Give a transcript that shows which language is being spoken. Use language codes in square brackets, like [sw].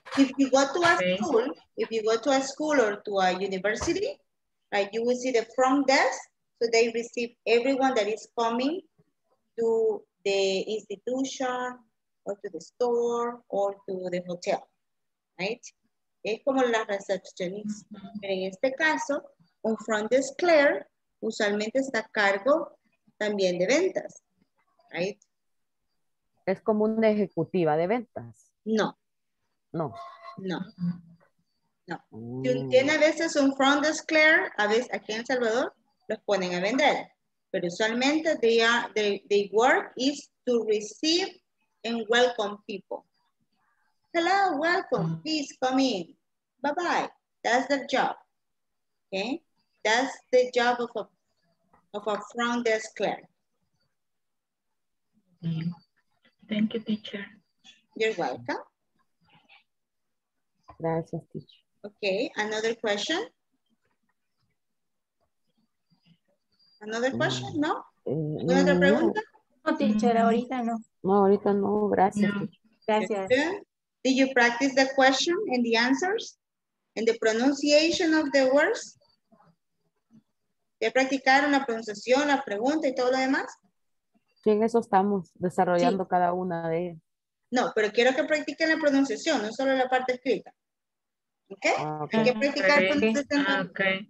[en] If you go to a school, if you go to a school or to a university, right, you will see the front desk, so they receive everyone that is coming to the institution or to the store or to the hotel, right? [es] Es como la recepcionista. Pero en este caso, un front desk clerk usualmente está a cargo también de ventas, [en] right? [es] Es como una ejecutiva de ventas. No. No. No. No. Si tiene a veces un front desk clerk, a veces aquí en El Salvador, los ponen a vender. Pero usualmente [en] they are, they work is to receive and welcome people. Hello, welcome, please come in. Bye-bye. That's the job. Okay? That's the job of a front desk clerk. Thank you, teacher. You're welcome. [es] Gracias, teacher. [en] Okay, another question? Another question, no? Another pregunta? [es] No, teacher, ahorita no. No, ahorita no, gracias. No. Gracias. [en] Did you practice the question and the answers? And the pronunciation of the words? [es] ¿Ya practicaron la pronunciación, la pregunta y todo lo demás? Sí, en eso estamos desarrollando sí. Cada una de ellas. No, pero quiero que practiquen la pronunciación, no solo la parte escrita. ¿Ok? Okay. Hay que practicar okay. Pronunciación. Ah, ok.